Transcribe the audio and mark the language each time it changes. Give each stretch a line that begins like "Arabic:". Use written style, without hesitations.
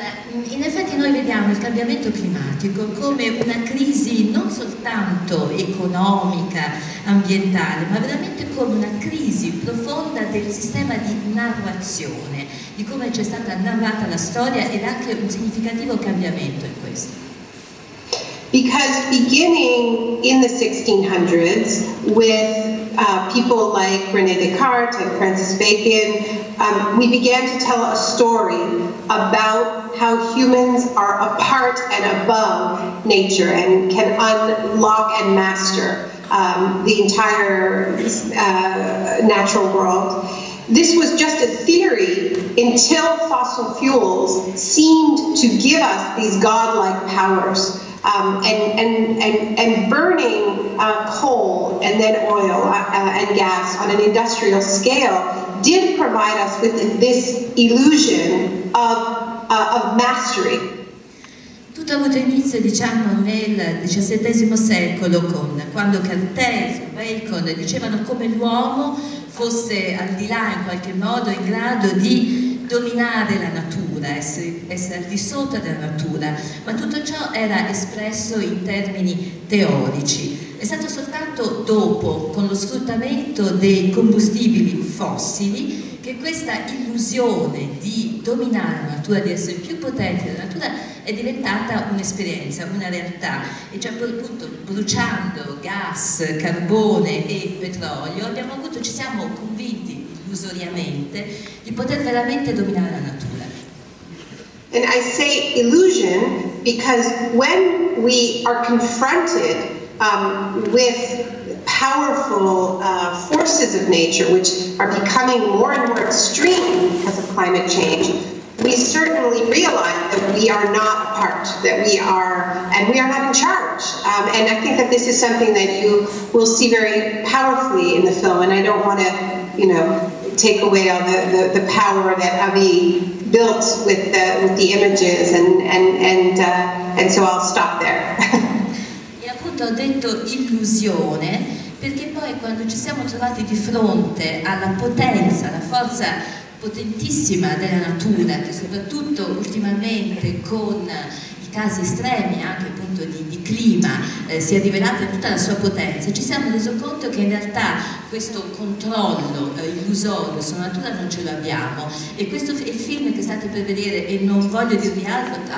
Italian: In effetti noi vediamo il cambiamento climatico come una crisi non soltanto economica, ambientale, ma veramente come una crisi profonda del sistema di narrazione, di come c'è stata narrata la storia ed anche un significativo cambiamento in questo.
English: Because beginning in the 1600s with people like René Descartes and Francis Bacon, we began to tell a story about how humans are apart and above nature and can unlock and master the entire natural world. This was just a theory until fossil fuels seemed to give us these godlike powers. And burning coal and then oil and gas on an industrial scale did provide us with this illusion of mastery.
Italian: Tutto ha avuto inizio, diciamo, nel XVII secolo, quando Cartes e Bacon dicevano come l'uomo fosse al di là, in qualche modo, in grado di dominare la natura, essere al di sotto della natura, ma tutto ciò era espresso in termini teorici. È stato soltanto dopo, con lo sfruttamento dei combustibili fossili, che questa illusione di dominare la natura, di essere più potenti della natura, è diventata un'esperienza, una realtà. E già appunto bruciando gas, carbone e petrolio, ci siamo convinti illusoriamente di poter veramente dominare la natura.
English: And I say illusion because when we are confronted with powerful forces of nature, which are becoming more and more extreme because of climate change, we certainly realize that we are not apart, that we are, and we are not in charge. And I think that this is something that you will see very powerfully in the film, and I don't want to, you know, take away all the power that Avi built with the images, and so I'll stop there.
Italian: E appunto ho detto illusione, perché poi quando ci siamo trovati di fronte alla potenza, alla forza potentissima della natura, che soprattutto ultimamente con i casi estremi anche appunto di clima si è rivelata tutta la sua potenza, ci siamo resi conto che in realtà questo controllo illusorio sulla natura non ce l'abbiamo, e questo è il film che state per vedere, e non voglio dirvi altro